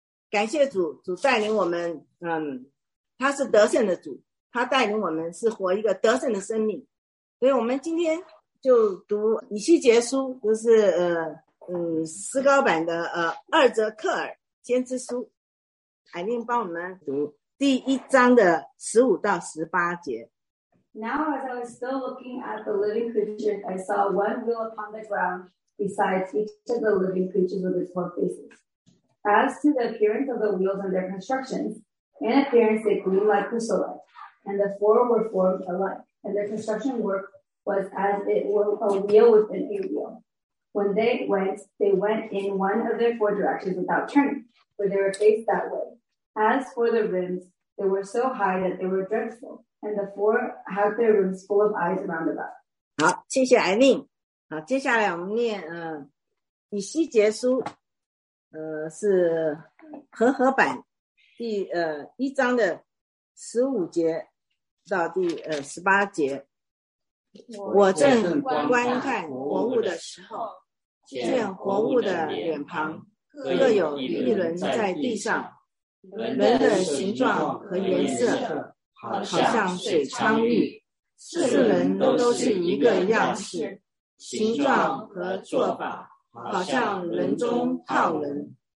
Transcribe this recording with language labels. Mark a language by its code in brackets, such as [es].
[zh] 感谢主，主带领我们，他是得胜的主，他带领我们是活一个得胜的生命。所以我们今天就读以西结书，就是诗高版的二泽克尔先知书。海令帮我们读第一章的15-18节。 [en] Now as I was still looking at the living creatures, I saw one wheel upon the ground besides each of the living creatures with its 4 faces. As to the appearance of the wheels and their constructions, in appearance they grew like chrysolite, and the 4 were formed alike, and their construction work was as it were a wheel within a wheel. When they went in one of their 4 directions without turning, for they were faced that way. As for the rims, they were so high that they were dreadful, and the 4 had their rims full of eyes around about. [zh] 好，谢谢艾琳。好，接下来我们念以西结书，是和合版第一章的15-18节。我正观看活物的时候，见活物的脸庞各有一轮在地上，轮的形状和颜色好像水苍玉，四轮都是一个样式，形状和做法好像轮中套轮。